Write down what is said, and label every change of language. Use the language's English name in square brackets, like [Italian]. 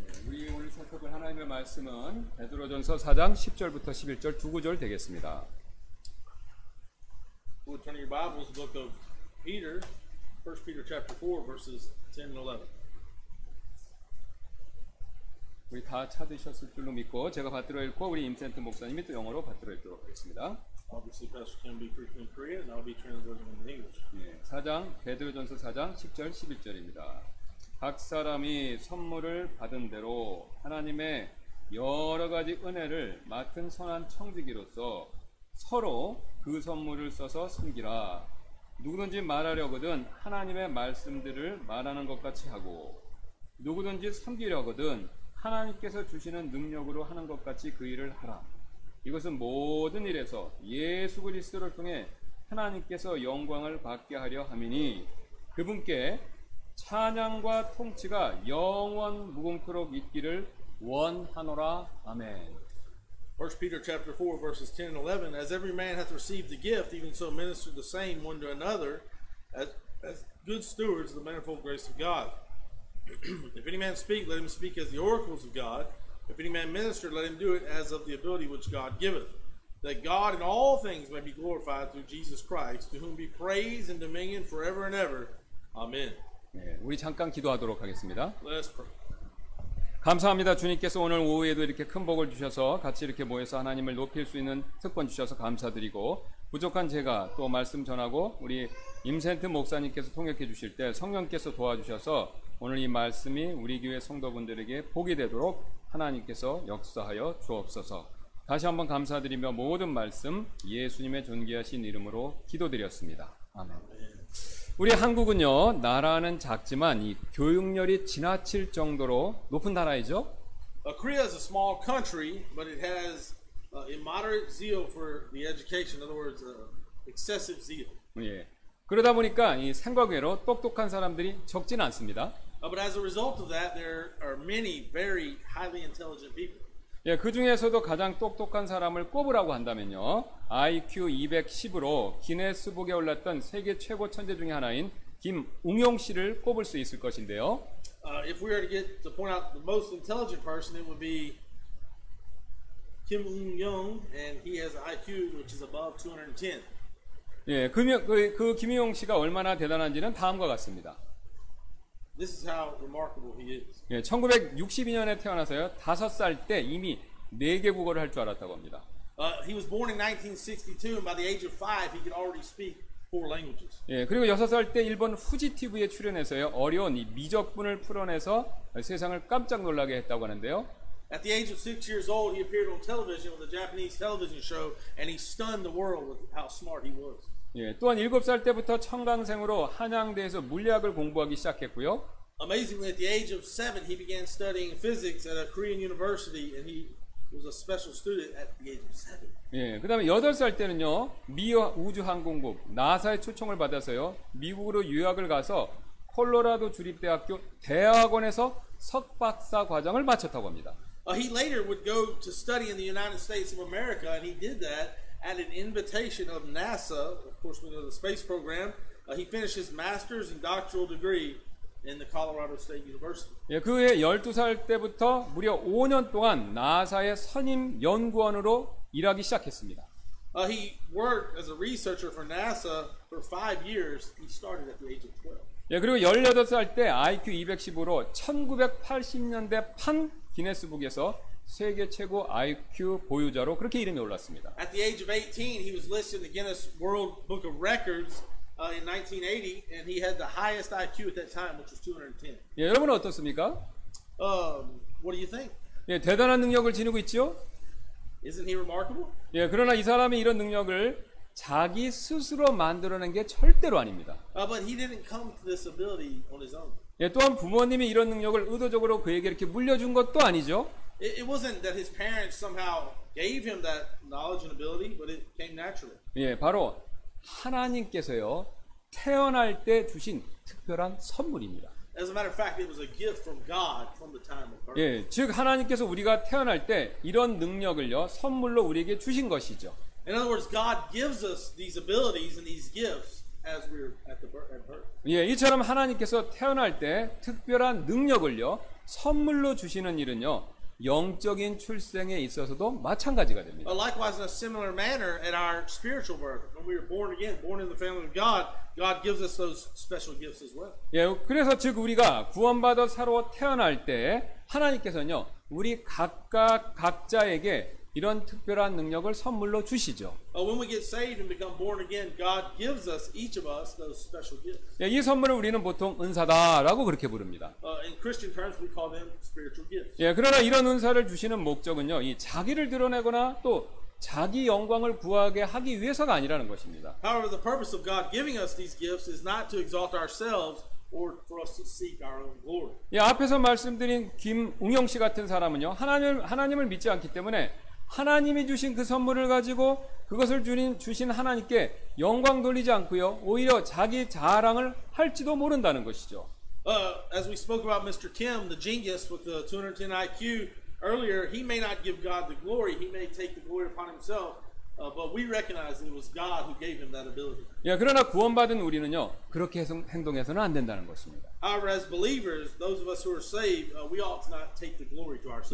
[Korean] 우리 오늘 살펴볼 하나님의 말씀은 베드로전서 4장 10절부터 11절 두 구절 되겠습니다. [English] We'll turn your Bibles to the book of Peter, 1 Peter chapter 4, verses 10 and 11. [Korean] 우리 다 찾으셨을 줄로 믿고 제가 받들어 읽고 우리 임센트 목사님이 또 영어로 받들어 읽도록 하겠습니다. [English] Obviously, Pastor Kim will be preaching in Korean, and I'll be translating in English. [Korean] 네, 4장 베드로전서 4장 10절 11절입니다. 각 사람이 선물을 받은 대로 하나님의 여러 가지 은혜를 맡은 선한 청지기로서 서로 그 선물을 써서 섬기라. 누구든지 말하려거든 하나님의 말씀들을 말하는 것 같이 하고 누구든지 섬기려거든 하나님께서 주시는 능력으로 하는 것 같이 그 일을 하라. 이것은 모든 일에서 예수 그리스도를 통해 하나님께서 영광을 받게 하려 함이니 그분께 찬양과 통치가 영원 무궁토록 있기를 원하노라. 아멘. [English] 1 Peter chapter 4 verses 10 and 11. As every man hath received the gift, even so minister the same one to another as good stewards of the manifold grace of God. If any man speak, let him speak as the oracles of God. If any man minister, let him do it as of the ability which God giveth, that God in all things may be glorified through Jesus Christ, to whom be praise and dominion forever and ever. Amen. [Korean] 네, 우리 잠깐 기도하도록 하겠습니다. [English] Let's pray. [Korean] 감사합니다. 주님께서 오늘 오후에도 이렇게 큰 복을 주셔서 같이 이렇게 모여서 하나님을 높일 수 있는 특권 주셔서 감사드리고 부족한 제가 또 말씀 전하고 우리 임센트 목사님께서 통역해 주실 때 성령께서 도와주셔서 오늘 이 말씀이 우리 교회 성도분들에게 복이 되도록 하나님께서 역사하여 주옵소서. 다시 한번 감사드리며 모든 말씀 예수님의 존귀하신 이름으로 기도드렸습니다. 아멘. 우리 한국은요 나라는 작지만 이 교육열이 지나칠 정도로 높은 나라이죠. [English] Korea is a small country, but it has immoderate zeal for the education. In other words, excessive zeal. [Korean] 예. 그러다 보니까 이 생각외로 똑똑한 사람들이 적진 않습니다. [English] But as a result of that, there are many very highly intelligent people. [Korean] 예, 그 중에서도 가장 똑똑한 사람을 꼽으라고 한다면요, IQ 210으로 기네스북에 올랐던 세계 최고 천재 중에 하나인 김웅용 씨를 꼽을 수 있을 것인데요. [English] If we were to get to point out the most intelligent person, it would be Kim Ung-young, and he has IQ which is above 210. [Korean] 예, 그 김웅용 씨가 얼마나 대단한지는 다음과 같습니다. [English] This is how remarkable he is. [Korean] 예, 1962년에 태어나서요. 5살 때 이미 네 개 국어를 할 줄 알았다고 합니다. [English] He was born in 1962 and by the age of 5 he could already speak four languages. [Korean] 예, 그리고 6살 때 일본 후지 TV에 출연해서요. 어려운 이 미적분을 풀어내서 세상을 깜짝 놀라게 했다고 하는데요. [English] At the age of 6 years old he appeared on television with a Japanese television show and he stunned the world with how smart he was. [Korean] 예, 또한 7살 때부터 청강생으로 한양대에서 물리학을 공부하기 시작했고요. [English] Amazingly, at the age of 7, he began studying physics at a Korean university, and he was a special student at the age of 7. [Korean] 예, 그다음에 8살 때는요, 미 우주 항공국 나사의 초청을 받아서요, 미국으로 유학을 가서 콜로라도 주립대학교 대학원에서 석박사 과정을 마쳤다고 합니다. [English] He later would go to study in the United States of America, and he did that. At an invitation of NASA, of course we know the space program, he finished his master's and doctoral degree in the Colorado State University. [Korean] 예, 그 후에 12살 때부터 무려 5년 동안 나사의 선임 연구원으로 일하기 시작했습니다. [English] He worked as a researcher for NASA for 5 years. He started at the age of 12. [Korean] 예, 그리고 18살 때 IQ 210으로 1980년대 판 기네스북에서 세계 최고 IQ 보유자로 그렇게 이름이 올랐습니다. [English] At the age of 18, he was listed in the Guinness World Book of Records in 1980, and he had the highest IQ at that time, which was 210. [Korean] 예, 여러분 어떻습니까? [English] What do you think? [Korean] 예, 대단한 능력을 지니고 있죠. [English] Isn't he remarkable? [Korean] 예, 그러나 이 사람이 이런 능력을 자기 스스로 만들어낸 게 절대로 아닙니다. [English] But he didn't come to this ability on his own. [Korean] 예, 또한 부모님이 이런 능력을 의도적으로 그에게 이렇게 물려준 것도 아니죠. [English] It wasn't that his parents somehow gave him that knowledge and ability, but it came naturally. [Korean] 예, 바로 하나님께서요 태어날 때 주신 특별한 선물입니다. [English] As a matter of fact, it was a gift from God from the time of birth. [Korean] 예, 즉 하나님께서 우리가 태어날 때 이런 능력을요 선물로 우리에게 주신 것이죠. [English] In other words, God gives us these abilities and these gifts as we're at birth. [Korean] 예, 이처럼 하나님께서 태어날 때 특별한 능력을요 선물로 주시는 일은요. 영적인 출생에 있어서도 마찬가지가 됩니다. [English] Likewise, in a similar manner, at our spiritual birth, when we are born again, born in the family of God, God gives us those special gifts as well. [Korean] 예, 그래서 즉 우리가 구원받아 새로 태어날 때 하나님께서는요, 우리 각각 각자에게 이런 특별한 능력을 선물로 주시죠. [English] When we get saved and become born again, God gives us each of us those special gifts. [Korean] 예, 이 선물을 우리는 보통 은사다라고 그렇게 부릅니다. [English] In Christian terms, we call them spiritual gifts. [Korean] 예, 그러나 이런 은사를 주시는 목적은요, 이 자기를 드러내거나 또 자기 영광을 구하게 하기 위해서가 아니라는 것입니다. [English] However, the purpose of God giving us these gifts is not to exalt ourselves. Or for us to seek our own glory. [Korean] 예, 앞에서 말씀드린 김웅영 씨 같은 사람은요 하나님을 믿지 않기 때문에 하나님이 주신 그 선물을 가지고 그것을 주신 하나님께 영광 돌리지 않고요 오히려 자기 자랑을 할지도 모른다는 것이죠. [English] As we spoke about Mr. Kim, the genius with the 210 IQ earlier, he may not give God the glory. He may take the glory upon himself. But we recognize that it was God who gave him that ability. [Korean] 예, 그러나 구원받은 우리는요 그렇게 행동해서는 안 된다는 것입니다. [English] However, as believers, those of us who are saved, we ought not take the glory to ourselves.